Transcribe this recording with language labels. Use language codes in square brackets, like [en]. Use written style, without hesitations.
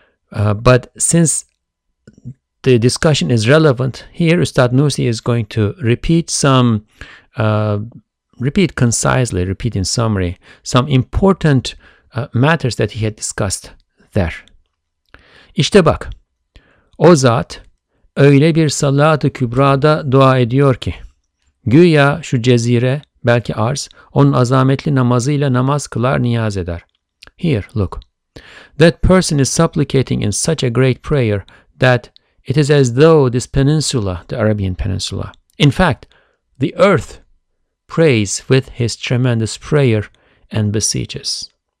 [en] But since the discussion is relevant here, Ustad Nursi is going to repeat in summary, some important matters that he had discussed there. [tr] İşte bak, o zat öyle bir salat-ı kübrada dua ediyor ki, güya şu cezire, belki arz, onun azametli namazıyla namaz kılar, niyaz eder. [en] Here, look. That person is supplicating in such a great prayer that it is as though this peninsula, the Arabian Peninsula, in fact, the earth, prays with his tremendous prayer and beseeches.